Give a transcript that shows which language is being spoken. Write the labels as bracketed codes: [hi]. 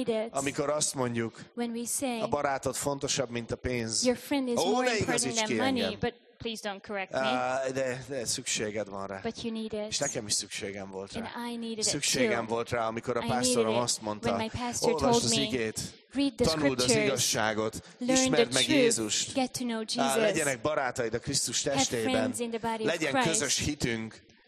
[hu] Amikor azt mondjuk, a barátod fontosabb, mint a pénz. [en] Your friend is more important than money, but please don't correct me. [hu] De szükséged van rá. [en] But you need it. [hu] És nekem is szükségem volt rá. [en] And I needed it. [hu] Szükségem volt rá, amikor a pásztorom azt mondta, olvasd az igét. Tanuld az igazságot, ismerd meg Jézust. [en] Get to know Jesus. [hu] Legyenek barátaid a Krisztus testében. Legyen közös hitünk.